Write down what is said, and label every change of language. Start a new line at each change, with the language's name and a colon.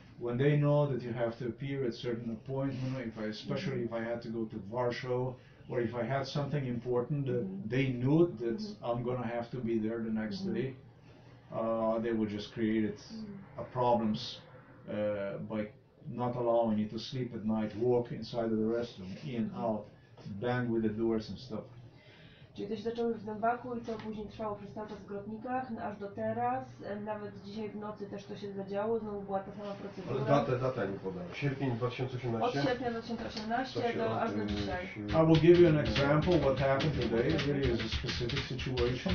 English: When they know that you have to appear at certain appointment, especially if I had to go to Warsaw, or if I had something important, they knew that I'm gonna have to be there the next day. They would just create a problems by not allowing you to sleep at night, walk inside of the restroom, in, out, bang with the doors and stuff.
Polish: Czyli to się zaczęło w zębaku i to później trwało przez cały czas w grotnikach, no, aż do teraz, nawet dzisiaj w nocy też to się zadziało, znowu była ta sama procedura. Ale data nie podałem, sierpień 2018? Od sierpnia 2018 aż do dzisiaj.
English: I will give you an example what happened today, really is a specific situation.